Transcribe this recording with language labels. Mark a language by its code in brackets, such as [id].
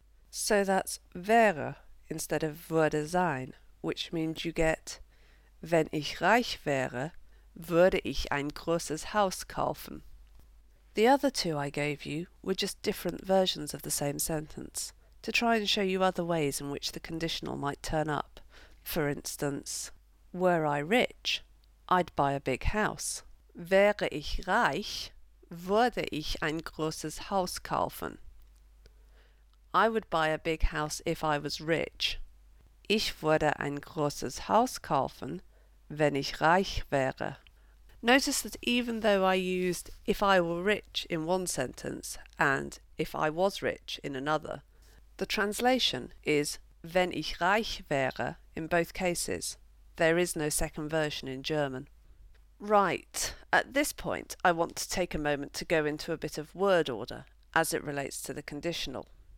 [en] So that's wäre instead of würde sein, which means you get [de] wenn ich reich wäre, würde ich ein großes Haus kaufen. [en] The other two I gave you were just different versions of the same sentence, to try and show you other ways in which the conditional might turn up. For instance, were I rich, I'd buy a big house. [de] Wäre ich reich, würde ich ein großes Haus kaufen. [en] I would buy a big house if I was rich. [de] Ich würde ein großes Haus kaufen, wenn ich reich wäre. [en] Notice that even though I used if I were rich in one sentence and if I was rich in another, the translation is [de] wenn ich reich wäre [en] in both cases. There is no second version in German. Right, at this point I want to take a moment to go into a bit of word order as it relates to the conditional.